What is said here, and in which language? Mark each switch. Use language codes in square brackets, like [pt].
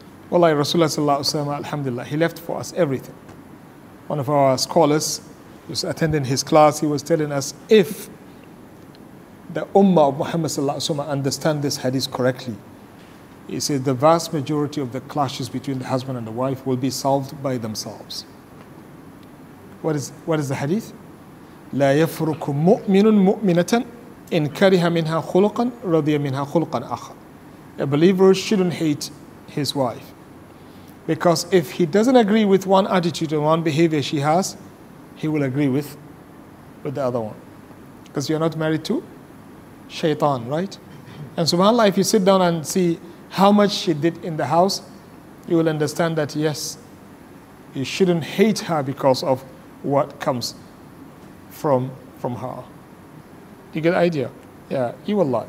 [en] Wallahi, Rasulullah sallallahu alayhi wa sallam, alhamdulillah, he left for us everything. One of our scholars was attending his class. He was telling us, if the ummah of Muhammad sallallahu alayhi wa sallam understand this hadith correctly, he said the vast majority of the clashes between the husband and the wife will be solved by themselves. What is the hadith? [ar] لا يفرق مؤمن مؤمنة إن كره منها خلقا رضي منها خلقا آخر. [en] A believer shouldn't hate his wife, because if he doesn't agree with one attitude and one behavior she has, he will agree with the other one. Because you're not married to shaitan, right? And subhanAllah, if you sit down and see how much she did in the house, you will understand that yes, you shouldn't hate her because of what comes from her. You get the idea? Yeah, you will lie.